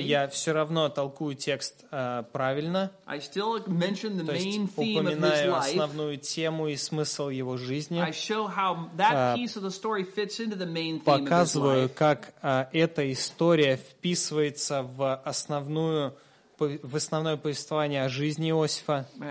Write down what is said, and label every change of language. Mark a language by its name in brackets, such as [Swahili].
[Russian] Я все равно толкую текст правильно. [English] I still mention the [Russian] То есть [English] main theme [Russian] упоминаю [English] of his life. [Russian] Основную тему и смысл его жизни. [English] I show how that piece of the story fits into the main theme [Russian] показываю, [English] of his life. [Russian] Как эта история вписывается в основную в основное повествование о жизни Иосифа.